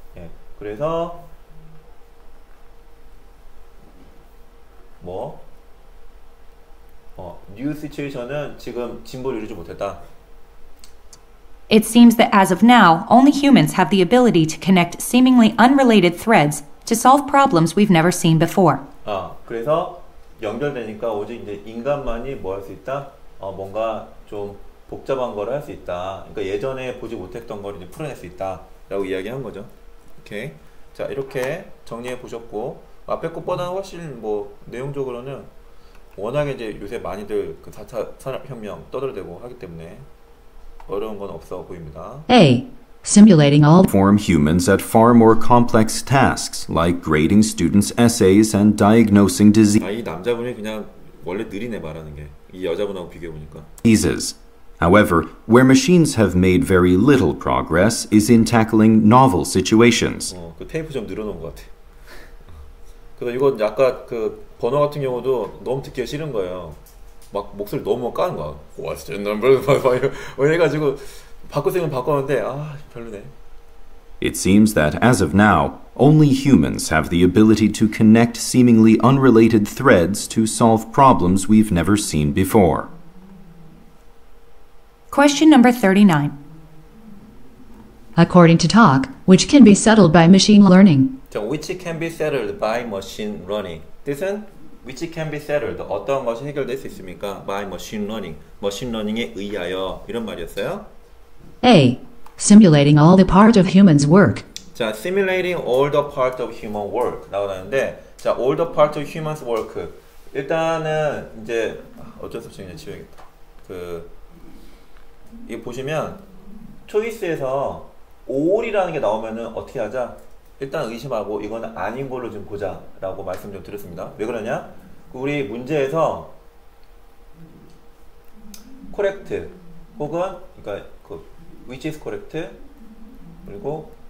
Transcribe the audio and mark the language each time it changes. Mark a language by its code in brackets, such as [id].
[ko] 예, 그래서 뭐 new situation은 지금 진보를 이루지 못했다. [en] It seems that as of now only humans have the ability to connect seemingly unrelated threads to solve problems we've never seen before. [ko] 아, 그래서 연결되니까 오직 이제 인간만이 뭐 할 수 있다? 뭔가 좀 복잡한 걸 할 수 있다. 그러니까 예전에 보지 못했던 걸 이제 풀어낼 수 있다. 라고 이야기한 거죠. 오케이. 자, 이렇게 정리해 보셨고, 앞에 것보다는 훨씬 뭐, 내용적으로는 워낙에 이제 요새 많이들 그 4차 산업혁명 떠들어대고 하기 때문에 어려운 건 없어 보입니다. [en] A. Simulating all form humans at far more complex tasks like grading students' essays and diagnosing disease. [ko] 아, 이 남자분이 그냥 원래 느리네 말하는 게. 이 여자분하고 비교해 보니까. [en] Diseases. However, where machines have made very little progress is in tackling novel situations. [ko] 그 테이프 좀 늘어놓은 것 같아. 그래서 이거 아까 그 번호 같은 경우도 너무 듣기 싫은 거예요. 막 목소리 너무 까는 거야. Question number 해가지고 바꾸시면 바꿨는데 아 별로네. [en] It seems that as of now, only humans have the ability to connect seemingly unrelated threads to solve problems we've never seen before. Question number 39. According to talk, which can be settled by machine learning. So which can be settled by machine learning. 뜻은 which can be settled 어떤 것이 해결될 수 있습니까? By machine learning. [ko] Machine learning에 의하여 이런 말이었어요. [en] A. Simulating all the part of human's work. [ko] 자, simulating all the part of human work 라고 하는데 자, all the part of human's work 일단은 이제 어쩔 수 없이 그냥 지워야겠다. 그 이거 보시면 초이스에서 all이라는 게 나오면은 어떻게 하자? 일단 의심하고 이건 아닌 걸로 좀 보자 라고 말씀 좀 드렸습니다. 왜 그러냐? 우리 문제에서 correct 혹은 그러니까 which is correct 그리고